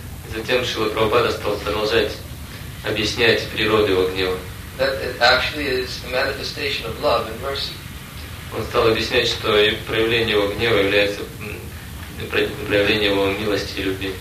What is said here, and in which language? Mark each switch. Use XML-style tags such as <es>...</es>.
<ru>Затем Шрила Прабхупада стал продолжать объяснять природу его гнева.</ru> <en>That it actually is a manifestation of love and mercy.</en> <ru>Он стал объяснять, что проявление его гнева является проявлением его милости и любви.</ru>